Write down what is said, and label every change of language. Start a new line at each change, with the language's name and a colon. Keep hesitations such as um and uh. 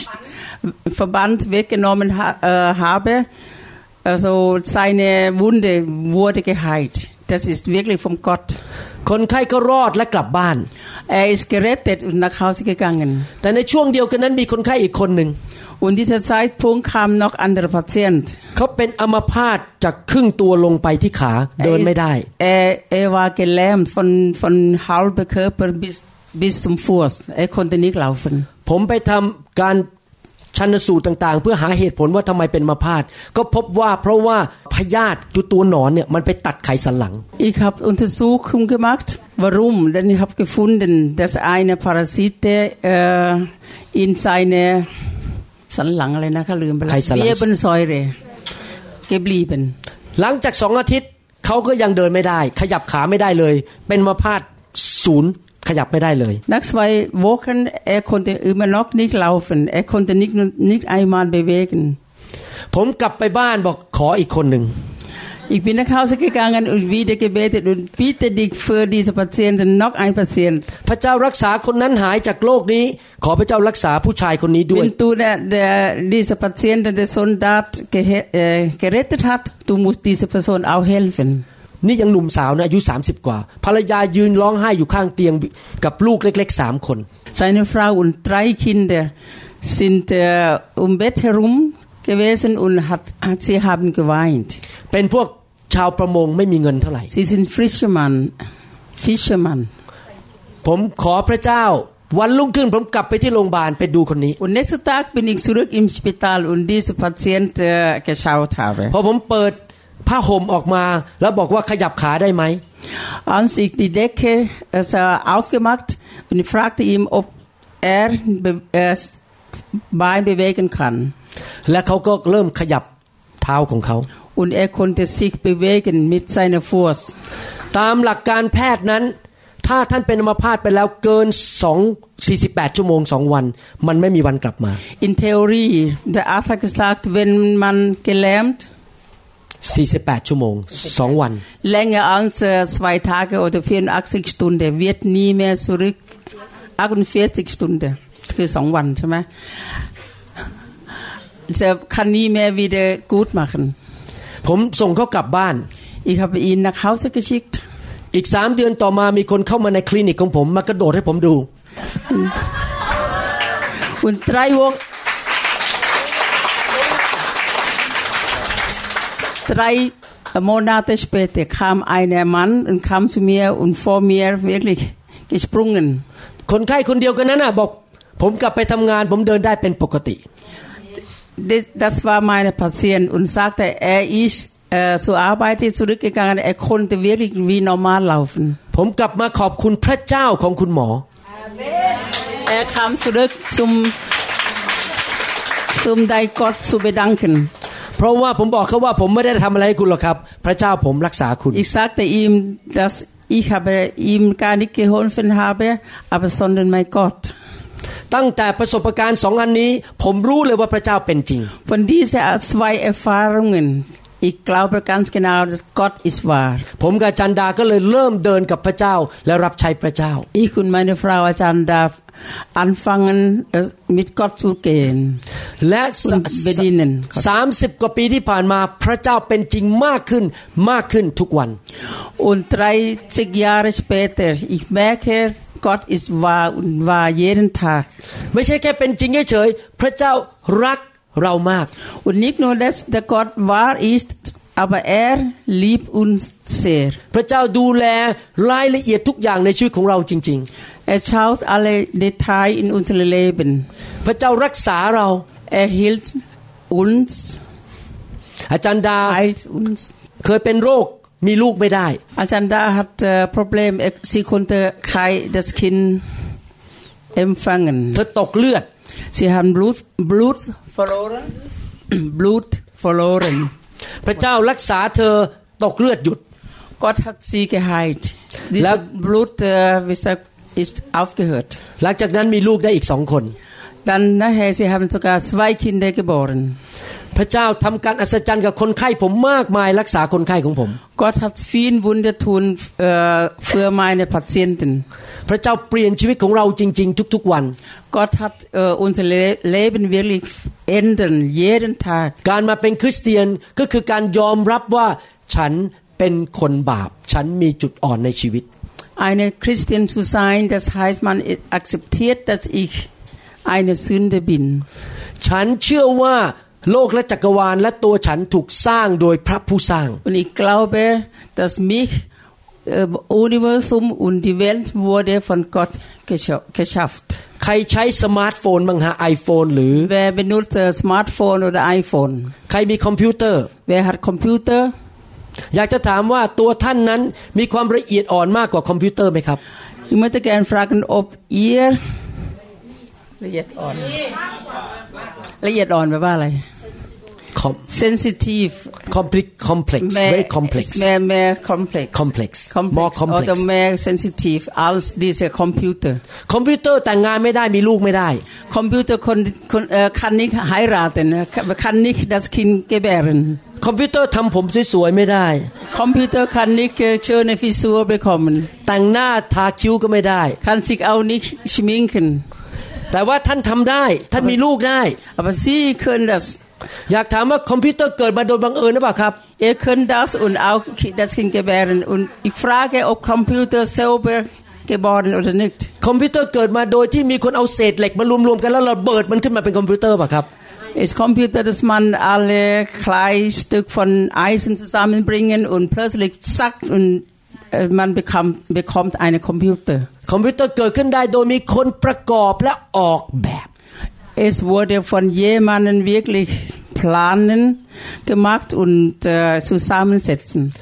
German: Stock, Verband weggenommen ha, äh, habe, also seine Wunde wurde geheilt. Das ist wirklich vom Gott.
Thai: คนไข้ก็รอดและกลับบ้าน
German: Er ist gerettet und nach Hause gegangen.
Thai: แต่ในช่วงเดียวกันนั้นมีคนไข้อีกคนหนึ่ง
German: Und dieser Zeitpunkt kam noch anderer Patient.
Thai: เขาเป็นอัมพาตจากครึ่งตัวลงไปที่ขา
German: Er
Thai: เดิน
German: ist-
Thai: ไม่ได้
German: Er, er war gelähmt von, von halber Körper bis, bis zum Fuß. Er konnte nicht laufen.
Thai: ผมไปทำการชันสูตรต่างๆ เพื่อหาเหตุผลว่าทำไมเป็นอัมาพาตก็พบว่าเพราะว่าพยาธิตัวตัวหนอนเนี่ยมันไปตัดไขสันหลัง
German: Ich habe Untersuchungen gemacht, warum. Denn ich habe gefunden, dass eine Parasite äh, in seine Salang- Kaiserlang- Nebensäure geblieben.
Thai: หลังจากสองอาทิตย์เขาก็ยังเดินไม่ได้ ขยับขาไม่ได้เลย เป็นอัมาพาตศูนย์ขยับไม่ได้เลย
German: Nach zwei Wochen, er konnte immer noch nicht laufen. Er konnte nicht, nicht einmal bewegen.
Thai: ผมกลับไปบ้านบอกขออีกคนหนึ่ง
German: Ich bin nach Hause gegangen und wieder gebetet und bitte dich für diese Patienten noch ein Patient.
Thai: พระเจ้ารักษาคนนั้นหายจากโรคนี้ ขอพระเจ้ารักษาผู้ชายคนนี้ด้วย
German: Wenn du der, der, diese Patienten, der Soldat gehe, äh, gerettet hat, du musst dieser Person auch helfen.
Thai: นี่ยังหนุ่มสาวนะอายุ 30 กว่า ภรรยายืนร้องไห้อยู่ข้างเตียงกับลูกเล็กๆสามคน
German: Seine Frau und drei Kinder sind äh, um Bett herum gewesen und hat, hat, sie haben geweint.
Thai: เป็นพวกชาวประมงไม่มีเงินเท่าไหร่
German: Sie sind Fischermann. Fischermann.
Thai: ผมขอพระเจ้า วันรุ่งขึ้นผมกลับไปที่โรงพยาบาลไปดูคนนี้
German: Und nächsten Tag bin ich zurück im Spital und diese Patient äh, geschaut habe.
Thai: พอผมเปิดผ้าห่มออกมา แล้วบอกว่าขยับขาได้ไหม
German: Als ich die Decke also aufgemacht und ich fragte ihn, ob er be äh, Bein bewegen kann.
Thai: และเขาก็เริ่มขยับเท้าของเขา
German: Und er konnte sich bewegen mit seiner Fuß.
Thai: ตามหลักการแพทย์นั้น ถ้าท่านเป็นอัมพาตไปแล้วเกิน2 48 ชั่วโมง 2 วัน มันไม่มีวันกลับมา
German: In Theorie, der Arzt hat gesagt, wenn man gelähmt,
Thai: 48 ชั่วโมง 2 วัน
German: länger als äh, zwei Tage oder 84 Stunden, wird nie mehr zurück. 48 Stunden, für so einen Mann, Er kann nie mehr wieder gut machen.
Thai: ผมส่งเขากลับบ้าน
German: Ich habe ihn nach Hause geschickt.
Thai: อีกสามเดือนต่อมามีคนเข้ามาในคลินิกของผมมากระโดดให้ผมดู
German: Und drei Wochen. Drei Monate später kam ein Mann und kam zu mir und vor mir wirklich gesprungen.
Thai: คนไข้คนเดียวกันนั้นน่ะบอก ผมกลับไปทำงาน ผมเดินได้เป็นปกติ
German: Das- Das war meine Patient und sagte, er ist äh, zur Arbeit zurückgegangen, er konnte wirklich wie normal laufen.
Thai: ผมกลับมาขอบคุณพระเจ้าของคุณหมอ
German: Er kam zurück zum, zum dein Gott zu bedanken.
Thai: เพราะว่าผมบอกเขาว่าผมไม่ได้ทำอะไรให้คุณหรอกครับ พระเจ้าผมรักษาคุณ
German: Ich sagte ihm, dass ich habe ihm gar nicht geholfen habe, aber sondern mein Gott.
Thai: ตั้งแต่ประสบการณ์สองอันนี้ ผมรู้เลยว่าพระเจ้าเป็นจริง
German: Von diesen zwei Erfahrungen, ich glaube ganz genau, dass Gott ist wahr.
Thai: ผมกับอาจันดาก็เลยเริ่มเดินกับพระเจ้าและรับใช้พระเจ้า
German: Ich und meine Frau Ajahn darf anfangen, äh, mit Gott zu gehen.
Thai: และส คุณเบดินเนี่ย สามสิบกว่าปีที่ผ่านมาพระเจ้าเป็นจริงมากขึ้นมากขึ้นทุกวัน
German: Und 30 Jahre später, ich merke, Gott ist wahr und wahr jeden Tag.
Thai: ไม่ใช่แค่เป็นจริงเฉยๆพระเจ้ารักเรามาก
German: Und nicht nur, dass der Gott wahr ist, aber er liebt uns sehr.
Thai: พระเจ้าดูแลรายละเอียดทุกอย่างในชีวิตของเราจริง
German: Er schaut alle Details in unser Leben.
Thai: ๆ พระเจ้ารักษาเรา
German: Er hilft uns,
Thai: อาจารย์ดา
German: heilt uns.
Thai: เคยเป็นโรคมีลูกไม่ได้
German: Ajanda hat äh, Problem, er, sie konnte kein das Kind empfangen.
Thai: เธอตกเลือด
German: Sie haben Blut, Blut verloren. Blut verloren.
Thai: พระเจ้ารักษาเธอตกเลือดหยุด
German: Gott hat sie geheilt. La- Dieses Blut äh, wie gesagt, ist aufgehört.
Thai: หลังจากนั้นมีลูกได้อีกสองคน
German: Dann nachher, sie haben sogar zwei Kinder geboren.
Thai: พระเจ้าทำการอัศจรรย์กับคนไข้ผมมากมายรักษาคนไข้ของผม
German: Gott hat viel Wunder tun äh, für meine Patienten.
Thai: พระเจ้าเปลี่ยนชีวิตของเราจริง ๆ ทุก ๆ วัน
German: Gott hat äh, unser Le Leben wirklich ändern, jeden Tag.
Thai: การมาเป็นคริสเตียนก็คือการยอมรับว่าฉันเป็นคนบาป ฉันมีจุดอ่อนในชีวิต
German: Eine Christin zu sein, das heißt, man akzeptiert, dass ich eine Sünde bin.
Thai: ฉันเชื่อว่าโลกและจักรวาลและตัวฉันถูกสร้างโดยพระผู้สร้าง
German: Und ich glaube, dass mich äh, Universum und die Welt wurde von Gott gescha geschafft.
Thai: ใครใช้สมาร์ทโฟนบ้างฮะไอโฟนหรือ
German: Wer benutzt äh, Smartphone oder iPhone?
Thai: ใครมีคอมพิวเตอร์
German: Wer hat Computer?
Thai: อยากจะถามว่าตัวท่านนั้นมีความละเอียดอ่อนมากกว่าคอมพิวเตอร์ไหมครับ
German: Ich möchte gerne fragen, ob ihr... Liet on. Liet on, wer war das? Sensitiv.
English: complex complex very complex
German: Mehr, mehr komplex.
English: complex more complex, complex
German: oder mehr sensitiv als dieser Computer.
Thai: คอมพิวเตอร์แต่งงานไม่ได้มีลูกไม่ได้
German: Computer kon, kon, äh, kann nicht heiraten, äh, kann nicht das Kind gebären.
Thai: คอมพิวเตอร์ทำผมสวยๆไม่ได้
German: Computer kann nicht äh, schöne Frisur bekommen,
Thai: แต่งหน้าทาคิ้วก็ไม่ได้
German: kann sich auch nicht schminken.
Thai: แต่ว่าท่านทำได้ท่านมีลูกได้
German: Aber Sie können das.
Thai: อยากถามว่าคอมพิวเตอร์เกิดมาโดยบังเอิญหรือเปล่าครับ
German: Ihr könnt das und auch ki- das Kind gebären. Und ich frage, ob Computer selber geboren oder nicht.
Thai: คอมพิวเตอร์เกิดมาโดยที่มีคนเอาเศษเหล็กมารวมๆกันแล้วระเบิดมันขึ้นมาเป็นคอมพิวเตอร์ป่ะครับ
German: Ist Computer, dass man alle kleinen Stück von Eisen zusammenbringen und plötzlich zack und äh, man bekam, bekommt einen Computer.
Thai: คอมพิวเตอร์เกิดขึ้นได้โดยมีคนประกอบและออกแบบ
German: Es wurde von jemandem wirklich planen gemacht und äh, zusammensetzen.